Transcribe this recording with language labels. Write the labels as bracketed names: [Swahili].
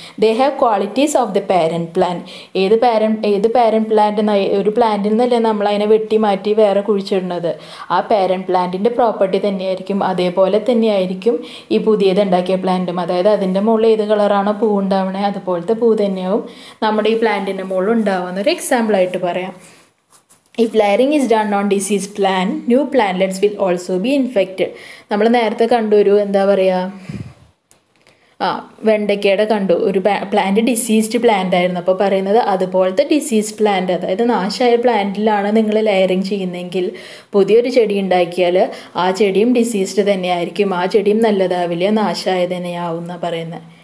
[English] They have qualities of the parent plant. [Malayalam] ഏത് parent plant ഒരു പ്ലാന്റിൽ നിന്നല്ലേ നമ്മൾ അതിനെ വെട്ടി മാറ്റി വേറെ കുഴിച്ചിടുന്നത്, ആ പാരന്റ് പ്ലാന്റിൻ്റെ പ്രോപ്പർട്ടി തന്നെയായിരിക്കും. അതേപോലെ തന്നെയായിരിക്കും ഈ പുതിയത് ഉണ്ടാക്കിയ പ്ലാന്റും. അതായത് അതിൻ്റെ മുകളിൽ ഏത് കളറാണോ പൂ ഉണ്ടാവണേ അതുപോലത്തെ പൂ തന്നെയാവും നമ്മുടെ ഈ പ്ലാന്റിൻ്റെ മുകളിൽ ഉണ്ടാവുന്നൊരു എക്സാമ്പിളായിട്ട് പറയാം. [English] If layering is done on diseased plant, new plantlets will also be infected. [Malayalam] നമ്മൾ നേരത്തെ കണ്ടു ഒരു എന്താ പറയുക വെണ്ടയ്ക്കയുടെ കണ്ടു ഒരു പ്ലാന്റ് ഡിസീസ്ഡ് പ്ലാന്റ് ആയിരുന്നു. അപ്പോൾ പറയുന്നത് അതുപോലത്തെ ഡിസീസ്ഡ് പ്ലാന്റ്, അതായത് നാശമായ പ്ലാന്റിലാണ് നിങ്ങൾ ലെയറിങ് ചെയ്യുന്നതെങ്കിൽ പുതിയൊരു ചെടി ഉണ്ടാക്കിയാൽ ആ ചെടിയും ഡിസീസ്ഡ് തന്നെയായിരിക്കും, ആ ചെടിയും നല്ലതാവില്ല, നാശമായ തന്നെയാവും എന്നാണ് പറയുന്നത്.